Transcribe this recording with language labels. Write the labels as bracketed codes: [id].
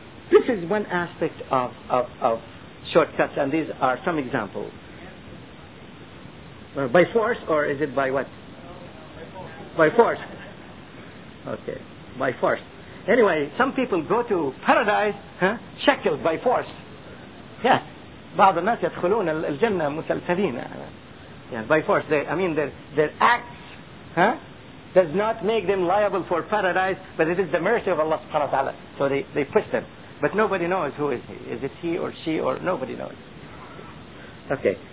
[en] This is one aspect of shortcuts, and these are some examples. By force, or is it by what? By force. Okay. By force. Anyway, some people go to paradise, shackled by force. Yeah. [ar] بعض الناس يدخلون الجنة مسلسلين. [en] Yeah, by force. Their acts does not make them liable for paradise, but it is the mercy of Allah subhanahu wa ta'ala. So they push them. But nobody knows who is he. Is it he or she or nobody knows. Okay.